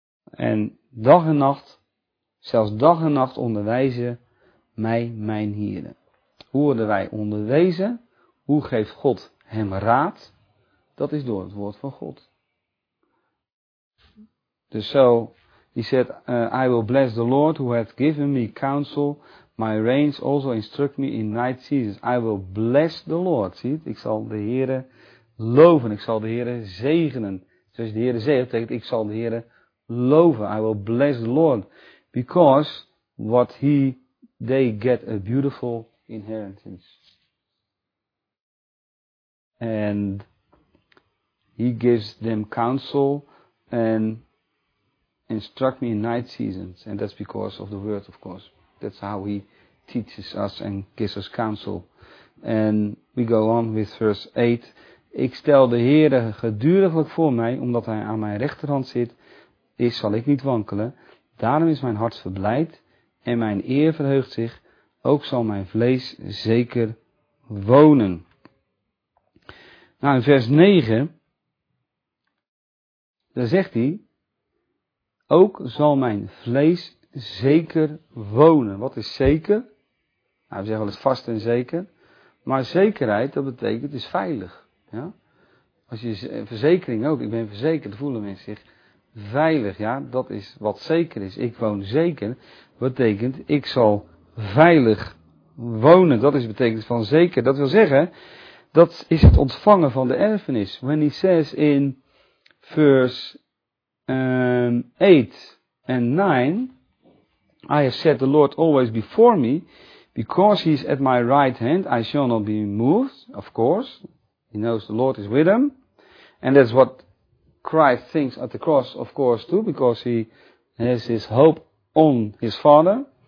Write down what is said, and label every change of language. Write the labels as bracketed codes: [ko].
[nl] En dag en nacht, zelfs dag en nacht onderwijzen mij mijn nieren. Hoe worden wij onderwezen? Hoe geeft God hem raad? Dat is door het woord van God. Dus zo, [en] he said, I will bless the Lord who hath given me counsel. My reins also instruct me in night seasons. I will bless the Lord. [nl] Zie het? Ik zal de Heere loven. Ik zal de Heere zegenen. Dus als je de Heere zegt, betekent ik zal de Heere loven. [en] I will bless the Lord. Because what he, they get a beautiful inheritance. And he gives them counsel and instruct me in night seasons. And that's because of the word, of course. That's how he teaches us and gives us counsel. And we go on with verse 8. [nl] Ik stel de Heere geduriglijk voor mij, omdat hij aan mijn rechterhand zit, is zal ik niet wankelen. Daarom is mijn hart verblijd en mijn eer verheugt zich. Ook zal mijn vlees zeker wonen. Nou, in vers 9... Dan zegt hij, Ook zal mijn vlees zeker wonen. Wat is zeker? Nou, we zeggen wel eens vast en zeker. Maar zekerheid, dat betekent, is veilig. Ja? Als je verzekering ook, ik ben verzekerd, voelen mensen zich veilig. Ja, dat is wat zeker is. Ik woon zeker. Betekent, ik zal veilig wonen. Dat is betekenis van zeker. Dat wil zeggen, dat is het ontvangen van de erfenis. [en] When he says in vers 8 en 9, I have set the Lord always before me, because he is at my right hand, I shall not be moved, of course. He knows the Lord is with him. And that's what Christ thinks at the cross, of course, too, because he has his hope on his Father.